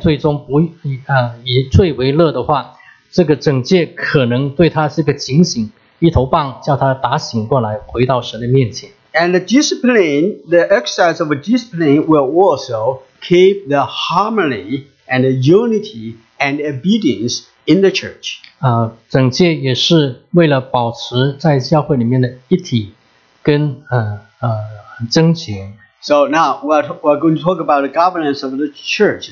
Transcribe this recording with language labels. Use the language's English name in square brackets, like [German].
[Chinese] 如果一个人他一直活在罪中不以罪为乐的话, 这个整戒可能对他是个警醒, 一头棒叫他打醒过来, 回到神的面前。 [English] And the discipline, the exercise of discipline will also keep the harmony and the unity and obedience in the church. [Chinese] 整戒也是为了保持在教会里面的一体跟贞洁。 [English] So now we're going to talk about the governance of the church.